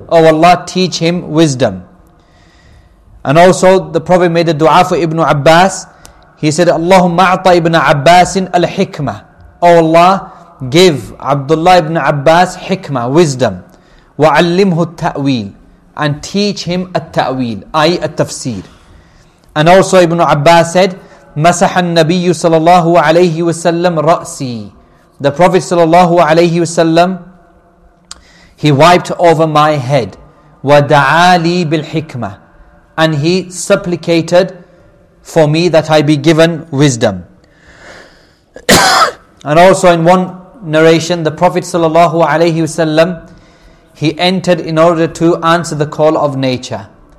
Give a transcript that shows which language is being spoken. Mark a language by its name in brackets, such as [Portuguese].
[English] O Allah, teach him wisdom. And also the Prophet made a dua for Ibn Abbas. He said, [Arabic] Allahumma a'ta Ibn Abbasin al-hikmah. [English] O Allah, give Abdullah ibn Abbas hikmah, wisdom. [Arabic] وَعَلِّمْهُ التَّأْوِيلِ, [English] and teach him التأويل, i.e. [Arabic] التفسير. [English] And also Ibn Abbas said, [Arabic] مَسَحَ النَّبِيُّ صَلَى اللَّهُ عَلَيْهِ وَسَلَّمْ رَأْسِي. [English] The Prophet [Arabic] صلى الله عليه وسلم, [English] he wiped over my head. [Arabic] وَدَعَى لِي بِالْحِكْمَةِ, [English] and he supplicated for me that I be given wisdom. And also in one narration, the Prophet sallallahu alayhi wasallam, he entered in order to answer the call of nature.